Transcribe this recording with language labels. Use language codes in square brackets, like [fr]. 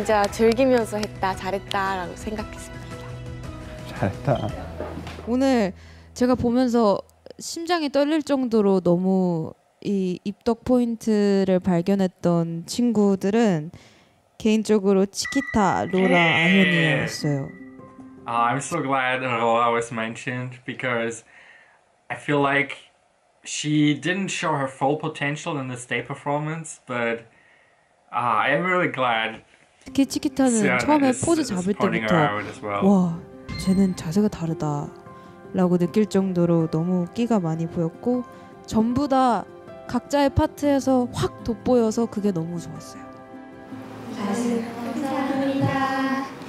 [ko] 즐기면서 했다, 잘했다라고 생각했습니다. 잘했다. 오늘 제가 보면서 심장이 떨릴 정도로 너무 이 입덕 포인트를 발견했던 친구들은 개인적으로 치키타, 로라, 아현이였어요. [en] I'm so glad Roa was mentioned because I feel like she didn't show her full potential in the stage performance, but I'm really glad. [ko] 특히 치키타는 처음에 포즈 잡을 때부터 와 쟤는 자세가 다르다 라고 느낄 정도로 너무 끼가 많이 보였고 전부 다 각자의 파트에서 확 돋보여서 그게 너무 좋았어요. 감사합니다.